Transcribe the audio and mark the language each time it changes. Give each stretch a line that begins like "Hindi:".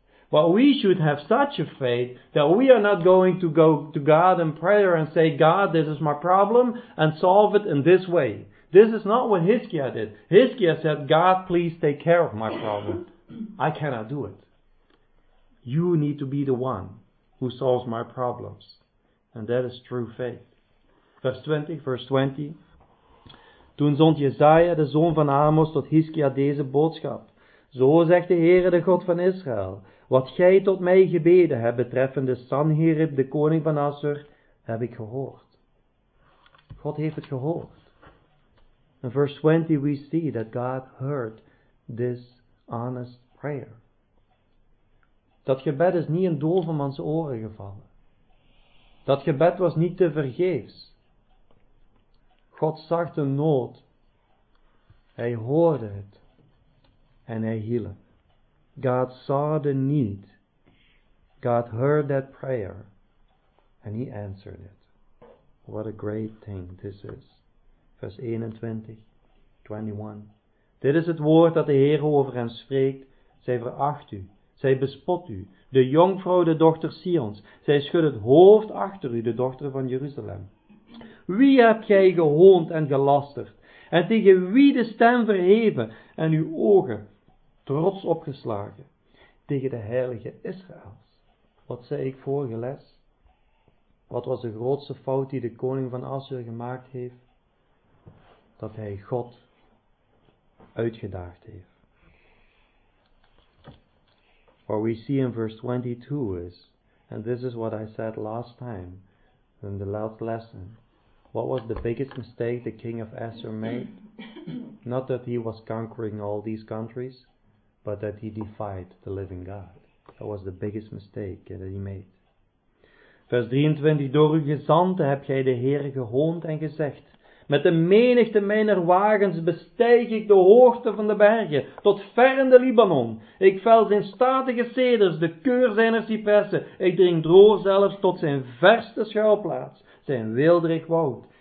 English: But we should have such a faith that we are not going to go to God in prayer and say, God, this is my problem, and solve it in this way. This is not what Hiskia did. Hiskia said, God, please take care of my problem. I cannot do it. You need to be the one who solves my problems. And that is true faith. Verse 20.
Dutch: Toen zond Jesaja, de zoon van Amos, tot Hiskia deze boodschap. Zo zegt de Heere, de God van Israël. Wat gij tot mij gebeden hebt betreffende Sanherib, de koning van Assur, heb ik gehoord. God heeft het gehoord.
English: In verse 20 we see that God heard this honest prayer.
Dutch: Dat gebed is niet in dovemans oren gevallen. Dat gebed was niet te vergeefs. God zag de nood. Hij hoorde het. En hij hielp.
English: God saw the need. God heard that prayer. And he answered it. What a great thing this is. Verse 21.
Dutch: Dit is het woord dat de Heer over hen spreekt. Zij veracht u. Zij bespot u. De jonkvrouw, de dochter Sions. Zij schudt het hoofd achter u, de dochter van Jeruzalem. Wie hebt gij gehoond en gelasterd? En tegen wie de stem verheven en uw ogen trots opgeslagen? Tegen de heilige Israëls. Wat zei ik vorige les? Wat was de grootste fout die de koning van Assur gemaakt heeft? Dat hij God uitgedaagd heeft.
English: What we see in verse 22 is, and this is what I said last time, in the last lesson, what was the biggest mistake the king of Assur made? Not that he was conquering all these countries, but that he defied the living God. That was the biggest mistake that he made.
Dutch: Vers 23, door uw gezanten heb jij de Heer gehoond en gezegd, met de menigte mijner wagens bestijg ik de hoogte van de bergen, tot ver in de Libanon. Ik vel zijn statige ceders, de keur zijner cypressen. Ik dring droog zelfs tot zijn verste schuilplaats, zijn weelderig woud.